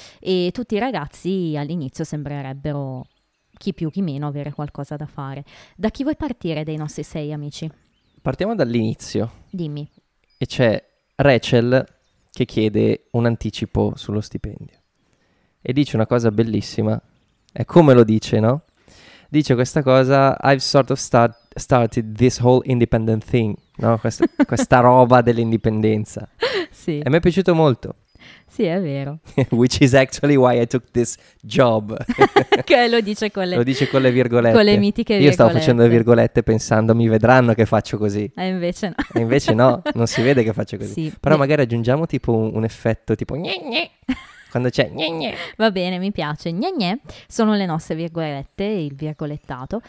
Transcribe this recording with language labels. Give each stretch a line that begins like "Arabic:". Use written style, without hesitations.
Italian: E tutti i ragazzi all'inizio sembrerebbero, chi più chi meno, avere qualcosa da fare. Da chi vuoi partire dei nostri sei amici? Partiamo dall'inizio. Dimmi. E c'è Rachel che chiede un anticipo sullo stipendio. E dice una cosa bellissima. È come lo dice, no? Dice questa cosa,
English: I've sort of started this whole independent thing, no?
Italian: Questa roba dell'indipendenza. Sì. E mi è piaciuto molto. Sì, è vero.
English: Which is actually why I took this job.
Italian: Che lo dice con le... Lo dice con le virgolette. Con le mitiche virgolette. Io stavo facendo le virgolette pensando, mi vedranno che faccio così. E invece no. E invece no, non si vede che faccio così. Sì. Però magari aggiungiamo tipo un effetto tipo... Quando c'è... Va bene, mi piace. Sono le nostre virgolette, il virgolettato.